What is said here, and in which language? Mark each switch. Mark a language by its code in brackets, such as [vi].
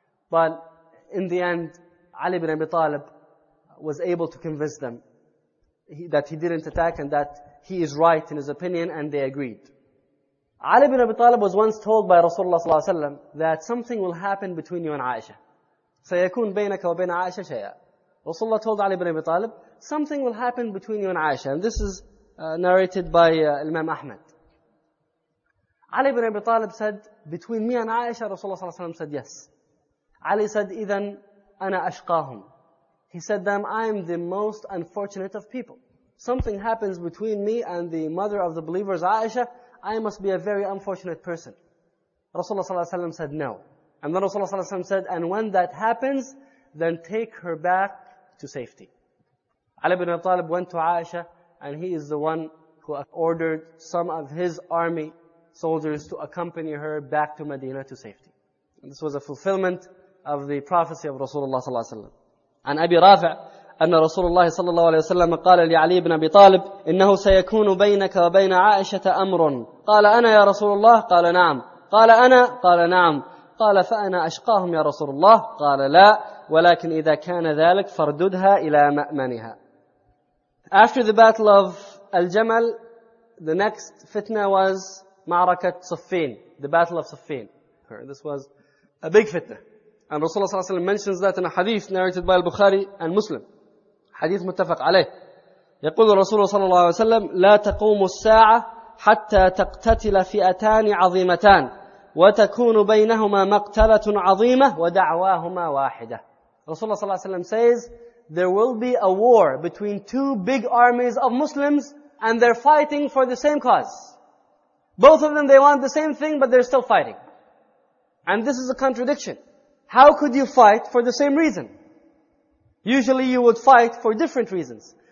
[en] But in the end, Ali ibn Abi Talib was able to convince them that he didn't attack and that he is right in his opinion, and they agreed. Ali ibn Abi Talib was once told by Rasulullah sallallahu alaihi wasallam that something will happen between you and Aisha. [ar] سيكون بينك وبين عائشة شيئا. [en] Rasulullah told Ali ibn Abi Talib, something will happen between you and Aisha. And this is narrated by Imam Ahmad. Ali ibn Abi Talib said, between me and Aisha, Rasulullah sallallahu alaihi wasallam said, yes. Ali said, [ar] إذن أنا أشقاهم. [en] He said them, I am the most unfortunate of people. Something happens between me and the mother of the believers, Aisha, I must be a very unfortunate person. Rasulullah sallallahu alaihi wasallam said, no. And then Rasulullah sallallahu alaihi wasallam said, and when that happens, then take her back to safety. Ali ibn Abi Talib went to Aisha, and he is the one who ordered some of his army soldiers to accompany her back to Medina to safety. And this was a fulfillment of the prophecy of Rasulullah sallallahu alaihi wasallam. [ar] And Abi Rafi' أن رسول الله صلى الله عليه وسلم قال لعلي بن أبي طالب إنه سيكون بينك وبين عائشة أمر قال أنا يا رسول الله قال نعم قال أنا قال نعم قال فأنا أشقاهم يا رسول الله قال لا ولكن إذا كان ذلك فرددها إلى مأمنها. [en] After the battle of Al-Jamal, the next fitna was [ar] معركة صفين, [en] the battle of صفين. This was a big fitna. And [ar] رسول الله صلى الله عليه وسلم [en] mentions that in a hadith narrated by Al-Bukhari and Muslim. [ar] حديث متفق عليه. يقول الرسول صلى الله عليه وسلم لا تقوم الساعة حتى تقتتل فئتان عظيمتان وتكون بينهما مقتلة عظيمة ودعواهما واحدة. رسول الله صلى الله عليه وسلم [en] says there will be a war between two big armies of Muslims and they're fighting for the same cause. Both of them, they want the same thing, but they're still fighting. And this is a contradiction. How could you fight for the same reason? Usually you would fight for different reasons.